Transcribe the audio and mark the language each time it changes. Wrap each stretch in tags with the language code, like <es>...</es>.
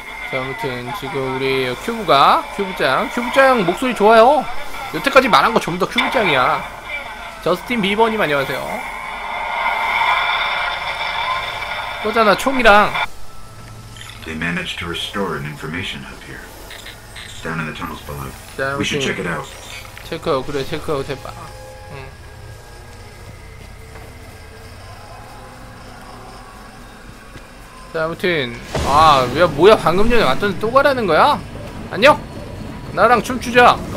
<ko>자, 아무튼 지금 우리 큐브가 큐브짱 큐브짱 목소리 좋아요. 여태까지 말한 거 전부 다 큐브짱이야. 저스틴 비버님 안녕하세요. 또잖아 총이랑.</ko> <en>They managed to restore an information hub here. Down in the tunnels below. We should check it out.</en> <ko>체크아웃 그래 체크아웃 해봐. 자 아무튼 아 왜 뭐야 방금 전에 왔던데 또 가라는 거야? 안녕? 나랑 춤추자.</ko>